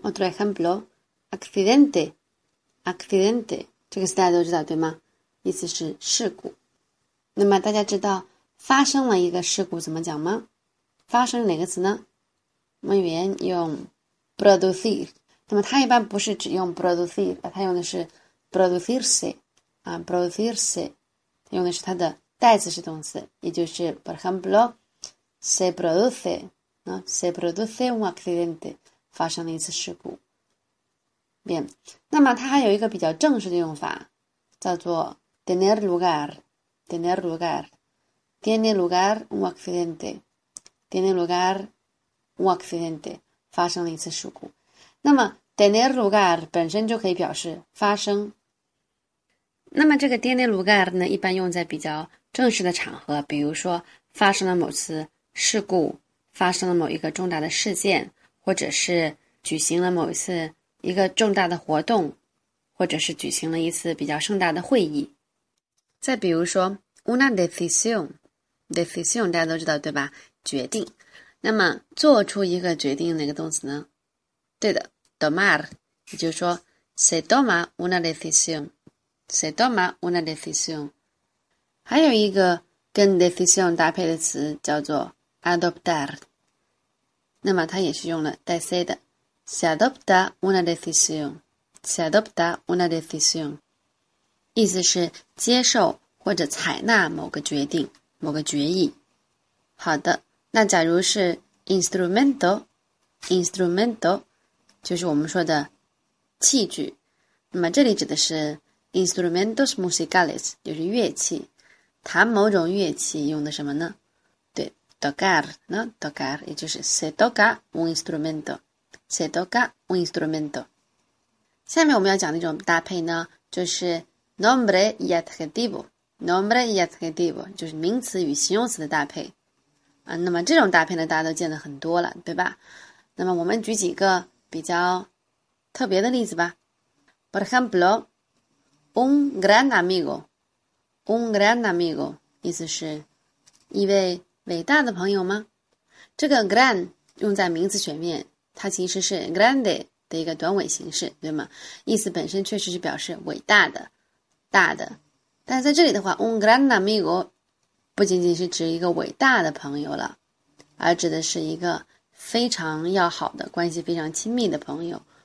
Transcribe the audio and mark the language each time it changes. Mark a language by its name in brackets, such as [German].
[Spanish] otro ejemplo, accidente, [Chinese] 这个词大家都知道对吗？意思是事故。那么大家知道发生了一个事故怎么讲吗？发生哪个词呢？文员用 producir，那么它一般不是只用 producir， 它用的是 producirse， 啊 ，producirse， 用的是它的代词是动词，也就是 [Spanish] por ejemplo se produce ¿no? Se produce un accidente, [Chinese] 发生了一次事故。 [Spanish] Bien, [Chinese] 那么它还有一个比较正式的用法，叫做 [Spanish] tener lugar, tener lugar, tiene lugar un accidente, tiene lugar un accidente, [Chinese] 发生了一次事故。那么 tener lugar 本身就可以表示发生。那么这个 tiene lugar 呢，一般用在比较正式的场合，比如说发生了某次事故，发生了某一个重大的事件，或者是举行了某一次一个重大的活动，或者是举行了一次比较盛大的会议。再比如说 una decisión, decisión 大家都知道对吧，决定。那么做出一个决定哪个动词呢？对的， [Spanish] tomar, [Chinese] 也就是说 [Spanish] se toma una decisión, se toma una decisión。 [Chinese] 还有一个跟 decisión 搭配的词叫做 adoptar, 那么它也是用了带 c 的， [Spanish] se adopta una decisión, [Chinese] se adopta una decisión, 意思是接受或者采纳某个决定，某个决议。好的，那假如是 instrumento, instrumento 就是我们说的器具，那么这里指的是 instrumentos musicales, 就是乐器，弹某种乐器用的什么呢？对， [Spanish] tocar, ¿no? tocar, [Chinese] 也就是 [Spanish] se toca un instrumento,Se toca un instrumento. [Chinese] 下面我们要讲的一种搭配呢，就是 [Spanish] nombre y adjetivo. Nombre y adjetivo [Chinese] 就是名词与形容词的搭配。那么这种搭配呢，大家都见得很多了，对吧？那么我们举几个比较特别的例子吧。 [Spanish] Por ejemplo, un gran amigo. Un gran amigo [Chinese] 意思是一位伟大的朋友吗？这个 gran 用在名词前面，它其实是 grande 的一个短尾形式，对吗？意思本身确实是表示伟大的、大的。但在这里的话 [Spanish] un gran amigo [Chinese] 不仅仅是指一个伟大的朋友了，而指的是一个非常要好的关系、非常亲密的朋友。